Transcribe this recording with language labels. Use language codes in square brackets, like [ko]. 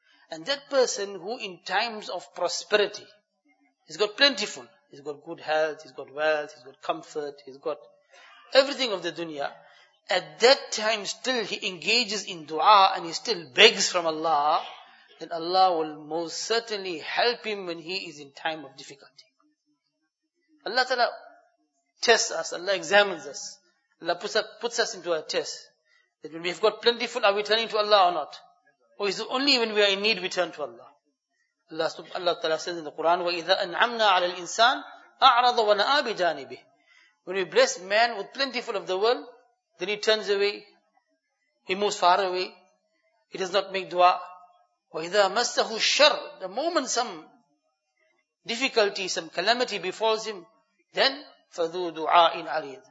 [en] And that person who in times of prosperity, he's got plentiful, he's got good health, he's got wealth, he's got comfort, he's got everything of the dunya, at that time still he engages in dua and he still begs from Allah, then Allah will most certainly help him when he is in time of difficulty. Allah Ta'ala tests us, Allah examines us. Allah puts us into a test. That when we have got plentiful, are we turning to Allah or not? Or is it only when we are in need we turn to Allah? Allah Ta'ala says in the Quran, [ar] وَإِذَا أَنْعَمْنَا عَلَى الْإِنسَانِ أَعْرَضَ وَنَآ بِجَانِبِهِ. [en] When we bless man with plentiful of the world, then he turns away, he moves far away, he does not make dua. [ar] وَإِذَا مَسَّهُ الشَّرْ. [en] The moment some difficulty, some calamity befalls him, then [ar] فَذُو دُعَاءٍ عَرِيدٍ.